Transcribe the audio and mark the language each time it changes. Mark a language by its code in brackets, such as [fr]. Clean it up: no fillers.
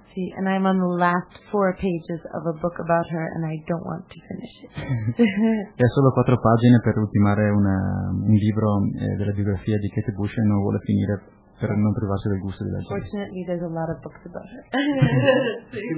[en] Sì, and I'm on the last four pages of a book about her, and I don't want to finish it. [it] È solo quattro pagine per ultimare un libro della biografia di Kate Bush, e non vuole finire per non privarsi del gusto di leggere. [en] Fortunately, there's a lot of books about her.